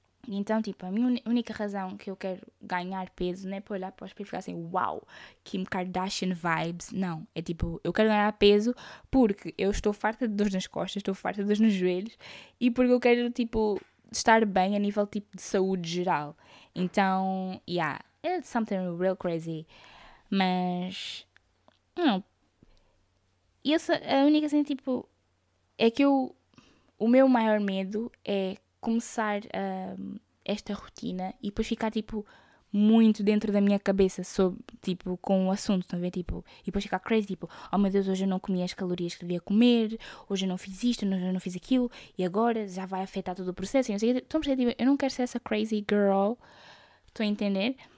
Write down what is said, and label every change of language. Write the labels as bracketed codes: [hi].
[pt] Então, tipo, a minha única razão que eu quero ganhar peso não é para olhar para o espelho e ficar assim, uau, Kim Kardashian vibes. Não, é tipo, eu quero ganhar peso porque eu estou farta de dores nas costas, estou farta de dores nos joelhos e porque eu quero, tipo... Estar bem a nível, tipo, de saúde geral. [en] Então, yeah, it's something real crazy. [pt] Mas, não. E essa, a única coisa, assim, tipo, é que eu, o meu maior medo é começar esta rotina e depois ficar, tipo, muito dentro da minha cabeça sobre, tipo, com o assunto, também, tipo, e depois ficar crazy, tipo, oh meu Deus, hoje eu não comi as calorias que devia comer, hoje eu não fiz isto, hoje eu não fiz aquilo, e agora já vai afetar todo o processo, e não sei, estou a perceber, tipo, eu não quero ser essa crazy girl, estou a entender?